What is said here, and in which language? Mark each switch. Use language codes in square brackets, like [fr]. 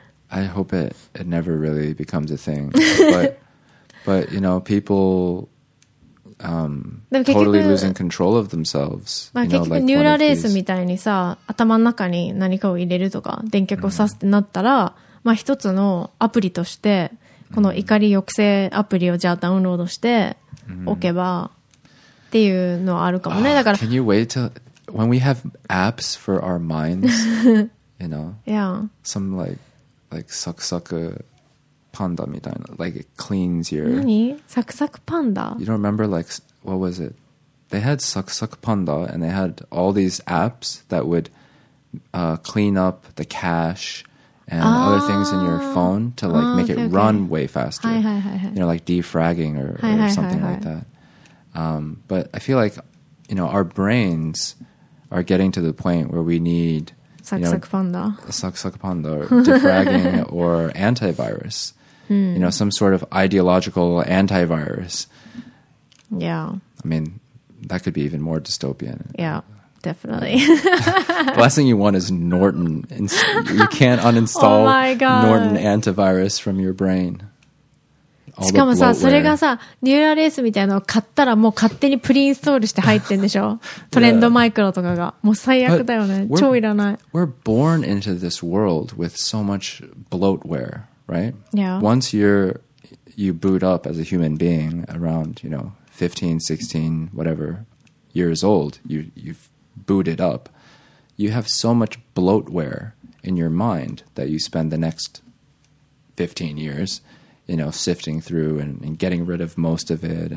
[en] I hope it never really becomes a thing. But you know, people totally losing control of themselves. [ja] まあ、 [en] you know, [ja] 結局ニューラレースみたいにさ、頭の中に何かを入れるとか、電極を刺すってなったら、まあ一つのアプリとしてこの怒り抑制アプリをじゃあダウンロードしておけばっていうのはあるかもね。だから、 [en] Can you wait till when we have apps for our minds? You know, yeah, some like サクサクパンダ [ja] みたいな、 [en] like it cleans your [ja] 何？サクサクパンダ？ [en] You don't remember like what was it? They had サクサクパンダ and they had all these apps that would clean up the cache. And other things in your phone to like make it run way faster. You know, like defragging or something like that. But I feel like, you know, our brains are getting to the point where we need, you know, suck suck panda, defragging or antivirus. You know, some sort of ideological antivirus. Yeah. I mean, that could be even more dystopian. Yeah. Definitely. The last thing you want is Norton. You can't uninstall Norton antivirus from your brain. [ja] しかもさ、それがさ、ニューラルエースみたいなのを買ったらもう勝手にプリインストールして入ってんでしょ？トレンドマイクロとかが。もう最悪だよね。超いらない。 [en] We're born into this world with so much bloatware, right? Yeah. Once you boot up as a human being around, you know, 15, 16, whatever years old, you've booted up, you have so much bloatware in your mind that you spend the next 15 years, you know, sifting through and getting rid of most of it.